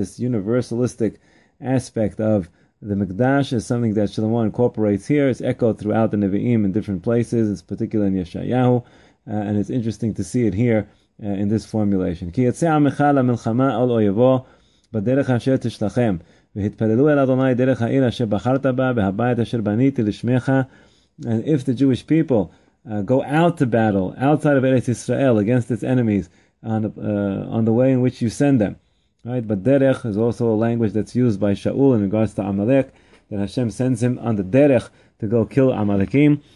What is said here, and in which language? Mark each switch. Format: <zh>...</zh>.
<en>This universalistic aspect of the Mikdash is something that Shlomo incorporates here. It's echoed throughout the Nevi'im in different places, it's particularly in Yeshayahu, and it's interesting to see it here in this formulation.</en> <he>Ki yetzei amecha la milchama ol oyevo baderech asher tishlachem. והתפללו אל אדוני דרך העיר אשר בחרת בה, והבית אשר בניתי לשמך.</he> <en>And if the Jewish people go out to battle outside of Eretz Israel against its enemies on the way in which you send them, right? But derech is also a language that's used by Shaul in regards to Amalek, that Hashem sends him on the derech to go kill Amalekim.</en>